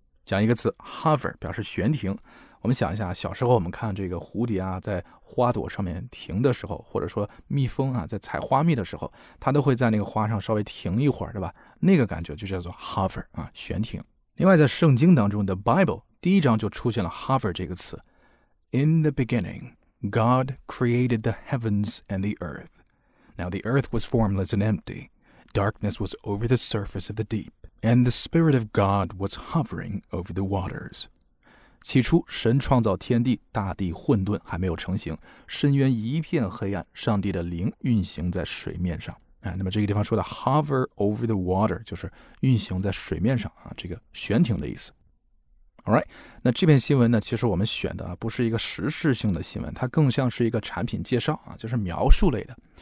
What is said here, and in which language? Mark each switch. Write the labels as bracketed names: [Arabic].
[Chinese] 讲一个词 ,hover, 表示悬停。我们想一下小时候我们看这个蝴蝶啊在花朵上面停的时候，或者说蜜蜂啊在采花蜜的时候，它都会在那个花上稍微停一会儿，对吧，那个感觉就叫做 hover,、啊、悬停。另外在圣经当中 ,The Bible,第一章就出现了 hover 这个词。 [English] In the beginning, God created the heavens and the earth. Now the earth was formless and empty. Darkness was over the surface of the deep. And the Spirit of God was hovering over the waters. [Chinese] 起初神创造天地，大地混沌还没有成型，深渊一片黑暗，上帝的灵运行在水面上。哎、那么这个地方说的 [English] hover over the water [Chinese] 就是运行在水面上、啊、这个悬停的意思。 Alright, 那这篇新闻呢其实我们选的不是一个时事性的新闻，它更像是一个产品介绍啊，就是描述类的。